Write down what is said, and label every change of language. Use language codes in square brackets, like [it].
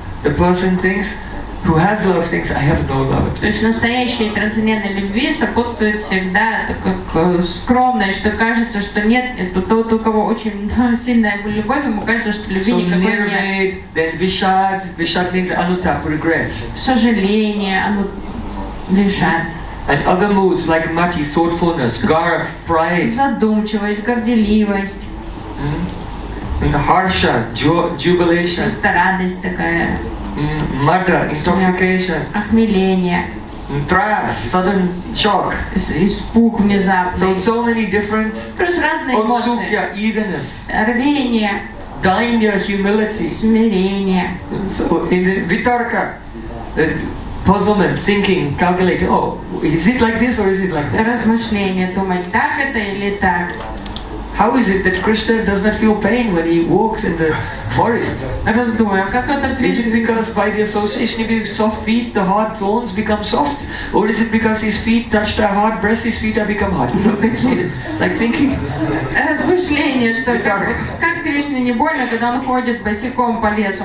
[en] The person thinks, who has love thinks I have no love. [ru] То есть настоящей трансцендентной любви сопутствует всегда такой скромной, что кажется, что нет, это тот, у кого очень сильная любовь, ему кажется, что любви никакой нет. [en] So nirved, then vishad, vishad means anutap, regret. [ru] Сожаление, vishad. [en] And other moods like mati, thoughtfulness, garv, pride. [ru] Задумчивость, горделивость. [en] And harsha, jubilation. [ru] Это радость такая. [en] Mada, intoxication. [ru] Охмеление. [en] Trias, sudden shock. [ru] Испуг внезапный. [en] So many different. [ru] Плюс разные эмоции. [en] Отсукья, eagerness. [ru] Рвение. [en] Dainya, humility. [ru] Смирение. [en] So in the vitarka, puzzlement, thinking, calculating. Oh, is it like this or is it like that? [ru] Размышление, думать, так это или так. [en] How is it that Krishna does not feel pain when he walks in the forest. Is it because by the association with soft feet, the hard thorns become soft? Or is it because his feet touch the hard breast, his feet have become hard? Like thinking. [ru] Размышление, что как Кришне не больно, когда он ходит босиком по лесу?